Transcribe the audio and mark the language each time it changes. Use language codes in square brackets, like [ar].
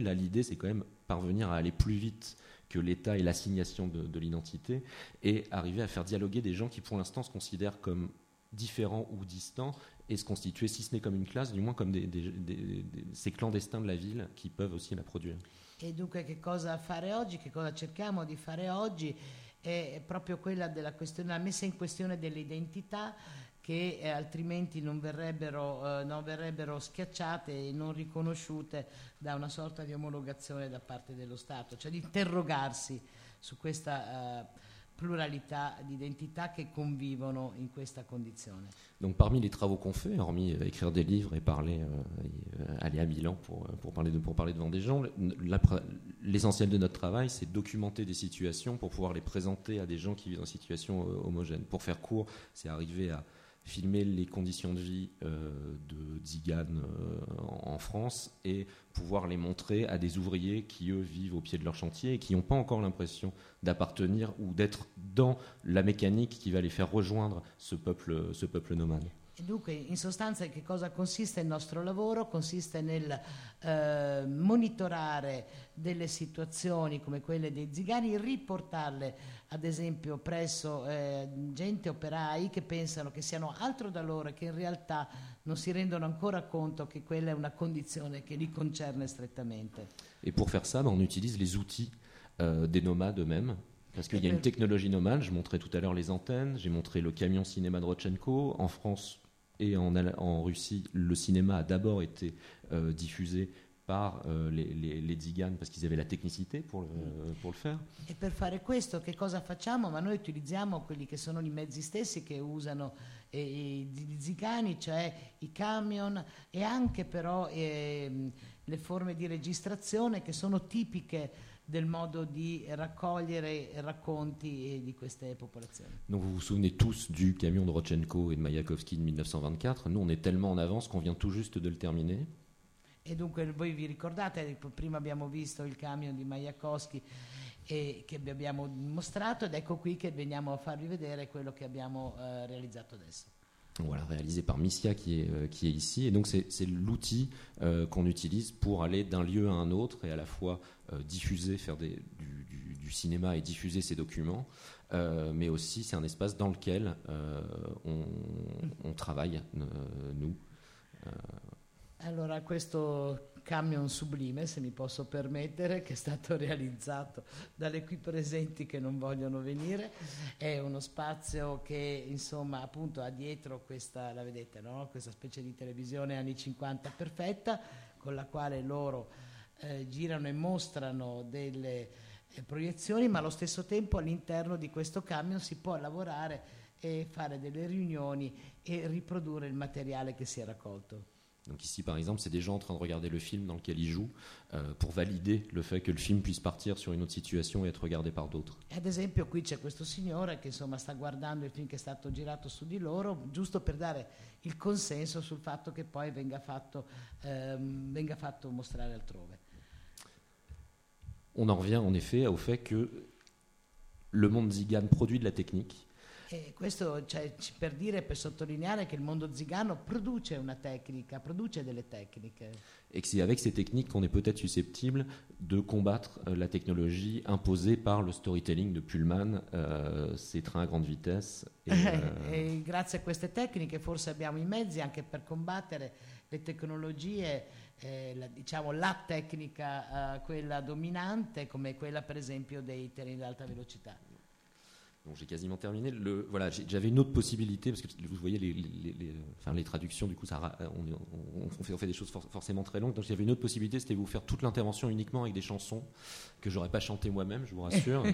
[fr] Là, l'idée, c'est quand même parvenir à aller plus vite que l'État et l'assignation de l'identité, et arriver à faire dialoguer des gens qui, pour l'instant, se considèrent comme différents ou distants. Et se constituer, si ce n'est comme une classe, du moins comme ces clandestins de la ville qui peuvent aussi la produire. Et donc, [it] che cosa fare oggi? Che cosa cerchiamo di fare oggi? È proprio quella della questione, la messa in questione delle identità che altrimenti non verrebbero schiacciate e non riconosciute da una sorta di omologazione da parte dello Stato. Cioè di interrogarsi su questa [fr] pluralité d'identité qui convivent [it] in questa condizione. [fr] Donc parmi les travaux qu'on fait, hormis écrire des livres et parler aller à Milan pour parler devant des gens, l'essentiel de notre travail, c'est documenter des situations pour pouvoir les présenter à des gens qui vivent en situation homogène. Pour faire court, c'est arriver à filmer les conditions de vie de Zigane en France et pouvoir les montrer à des ouvriers qui, eux, vivent au pied de leur chantier et qui n'ont pas encore l'impression d'appartenir ou d'être dans la mécanique qui va les faire rejoindre ce peuple nomade. Et donc, [it] en sostanza, che cosa consiste il nostro lavoro? Consiste nel monitorare delle situazioni come quelle dei zigani, riportarle ad esempio presso gente, operai, che pensano che siano altro da loro e che in realtà non si rendono ancora conto che quella è una condizione che li concerne strettamente. E per fare [fr] ça, on utilise les outils des nomades eux-mêmes. Parce qu'il y a une technologie nomade, je montrais tout à l'heure les antennes, j'ai montré le camion cinéma de Rodchenko. En France et en Russie, le cinéma a d'abord été diffusé par les Zigan parce qu'ils avaient la technicité pour le faire. Et pour faire [it] questo, che cosa facciamo? Ma noi utilizziamo quelli che sono i mezzi stessi che usano i zigani, cioè i camion e anche però le forme di registrazione che sono tipiche del modo di raccogliere racconti di queste popolazioni. [fr] Donc vous vous souvenez tous du camion de Rodchenko et de Mayakovsky de 1924. Nous, on est tellement en avance qu'on vient tout juste de le terminer. Et donc, [it] voi vi ricordate, prima abbiamo visto il camion di Mayakovsky che vi abbiamo mostrato, ed ecco qui che veniamo a farvi vedere quello che abbiamo realizzato adesso. [fr] Voilà, réalisé par Missia qui est ici. Et donc c'est l'outil qu'on utilise pour aller d'un lieu à un autre et à la fois diffuser, faire du cinéma et diffuser ces documents. Mais aussi c'est un espace dans lequel on travaille, nous. [it] Allora, questo camion sublime, se mi posso permettere, che è stato realizzato dalle qui presenti che non vogliono venire, è uno spazio che, insomma, appunto ha dietro questa, la vedete, no? Questa specie di televisione anni 50 perfetta, con la quale loro girano e mostrano delle proiezioni, ma allo stesso tempo all'interno di questo camion si può lavorare e fare delle riunioni e riprodurre il materiale che si è raccolto. [fr] Donc ici, par exemple, c'est des gens en train de regarder le film dans lequel ils jouent pour valider le fait que le film puisse partir sur une autre situation et être regardé par d'autres. [it] Ad esempio, qui c'è questo signore che insomma sta guardando il film che è stato girato su di loro, giusto per dare il consenso sul fatto che poi venga fatto mostrare altrove. [fr] On en revient en effet au fait que le monde zigane produit de la technique. [it] E questo cioè, per dire, per sottolineare che il mondo zigano produce una tecnica, produce delle tecniche. E che [fr] c'est avec ces techniques qu'on est peut-être susceptible de combattre la technologie imposée par le storytelling de Pullman, ces trains à grande vitesse. [it] E grazie a queste tecniche forse abbiamo i mezzi anche per combattere le tecnologie, diciamo la tecnica, quella dominante, come quella per esempio dei treni ad alta velocità. [fr] Donc j'ai quasiment terminé. Voilà, j'avais une autre possibilité, parce que vous voyez, les traductions, du coup, on fait des choses forcément très longues. Donc j'avais une autre possibilité, c'était vous faire toute l'intervention uniquement avec des chansons que je n'aurais pas chantées moi-même, je vous rassure.